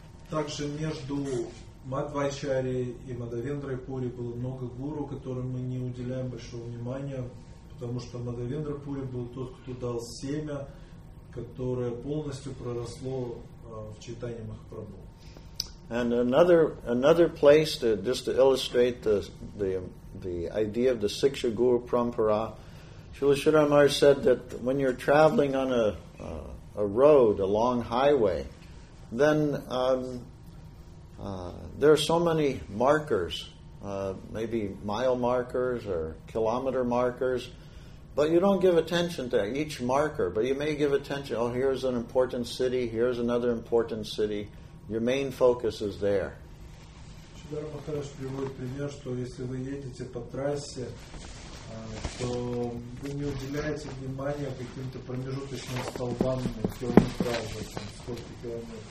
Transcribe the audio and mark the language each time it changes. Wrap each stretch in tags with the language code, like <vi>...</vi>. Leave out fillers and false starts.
<ru>Также между Мадхвачарьей и Мадхавендрой Пури было много гуру, которым мы не уделяем большого внимания, потому что Мадхавендра Пури был тот, кто дал семя, которое полностью проросло в Чайтанье Махапрабху.</ru> <en>And another place to just to illustrate the idea of the Siksha Guru Parampara, Srila Śrīla Mahārāja said that when you're traveling on a road, a long highway, then there are so many markers, maybe mile markers or kilometer markers, but you don't give attention to each marker, but you may give attention, oh, here's an important city, here's another important city, your main focus is there.</en> <ru>Śrīla Mahārāja приводит пример, что если вы едете по трассе, то вы не уделяете внимания каким-то промежуточным столбам, сколько километров.</ru>